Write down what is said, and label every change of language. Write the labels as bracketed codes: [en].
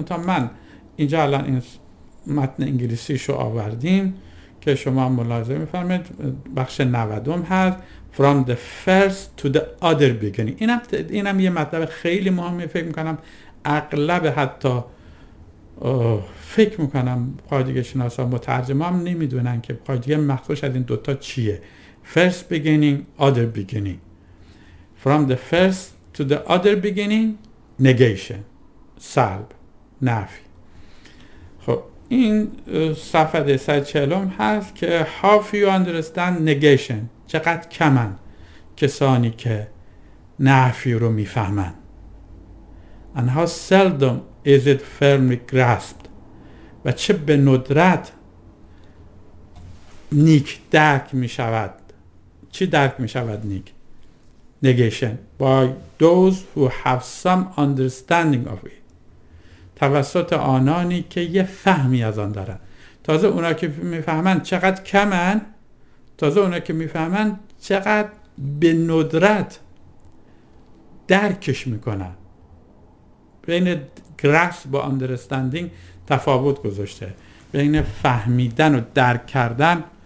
[fa] منتها من اینجا الان این متن انگلیسیشو آوردیم که شما ملاحظه میفرمید بخش 90 هست، [en] From the first to the other beginning. [fa] اینم یه مطلب خیلی مهمه. فکر میکنم اغلب، حتی فکر میکنم قاعدگی شناسا و مترجم هم نمیدونن که قاعدگی مخصوص از این دوتا چیه. [en] First beginning, other beginning. From the first to the other beginning, negation. [fa] سلب، نفی. خب این صفحه 140 هست که [en] How few understand negation. [fa] چقدر کمن کسانی که نفی رو میفهمن. [en] And how seldom is it firmly grasped. [fa] و چه به ندرت نیک درک می شود. چی درک می شود نیک؟ نگیشن. [en] By those who have some understanding of it. [fa] توسط آنانی که یه فهمی از آن دارن. تازه اونا که می فهمن چقدر کمن، تازه اونا که می فهمن چقدر به ندرت درکش می کنن. بین grasp و understanding تفاوت گذاشته، بین فهمیدن و درک کردن.